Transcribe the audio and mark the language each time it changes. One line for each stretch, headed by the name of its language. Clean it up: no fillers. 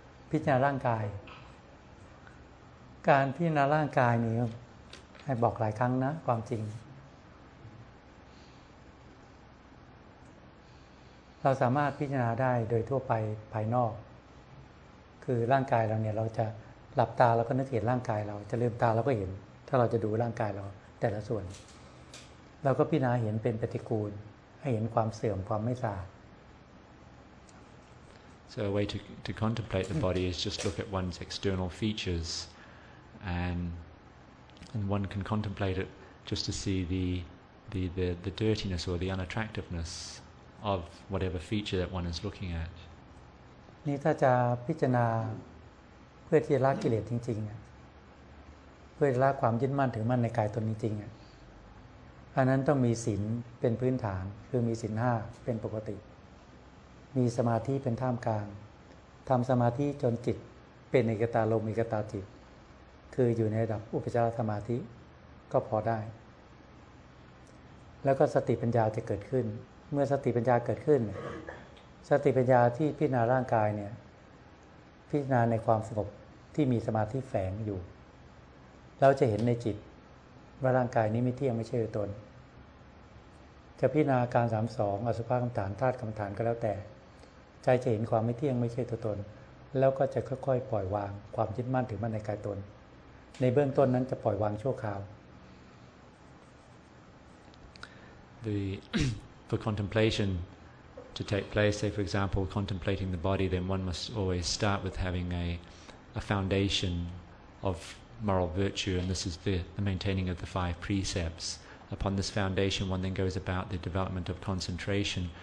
Thai: พิจารณาร่างกาย การพิจารณาร่างกายนี่ให้บอกหลายครั้งนะความจริง เราสามารถพิจารณาได้โดยทั่วไปภายนอกคือร่างกายเราเนี่ยเราจะหลับตาแล้วก็นึกเห็นร่างกายเราจะลืมตาแล้วก็เห็นถ้าเราจะดูร่างกายเราแต่ละส่วนเราก็พิจารณาเห็นเป็นปฏิกูลให้เห็นความเสื่อมความไม่สะอาด
English: So a way to contemplate the body is just look at one's external features and one can contemplate it just to see the dirtiness or the unattractiveness of whatever feature that one is looking at
Thai: นี่ถ้าจะพิจารณาเพื่อที่จะละกิเลสจริงๆเพื่อละความยึดมั่นถือมั่นในกายตนจริงๆอันนั้นต้องมีศีลเป็นพื้นฐานคือมีศีล5เป็นปกติมีสมาธิเป็นท่ามกลางทำสมาธิจนจิตเป็นเอกตาลมเอกตาจิตคืออยู่ในระดับอุปจารสมาธิก็พอได้ แล้วก็สติปัญญาจะเกิดขึ้นเมื่อสติปัญญาเกิดขึ้นสติปัญญาที่พิจารณาร่างกายเนี่ยพิจารณาในความสงบที่มีสมาธิแฝงอยู่เราจะเห็นในจิตว่าร่างกายนี้ไม่เที่ยงไม่ใช่ตนจะพิจารณาการ32อสุภกรรมฐานธาตุกรรมฐานก็แล้วแ จจะเห็นความไม่เที่ยงไม่ใช่ตัวตนแล้วก็จะค่อยๆปล่อยวางความยึดมั่นถือมั่นในกายตนในเบื้องต้นนั้นจะปล่อยวางชั่วคราว
English: The for contemplation to take place, say for example contemplating the body, then one must always start with having a foundation of moral virtue, and this is the maintaining of the five precepts. Upon this foundation, one then goes about the development of concentration.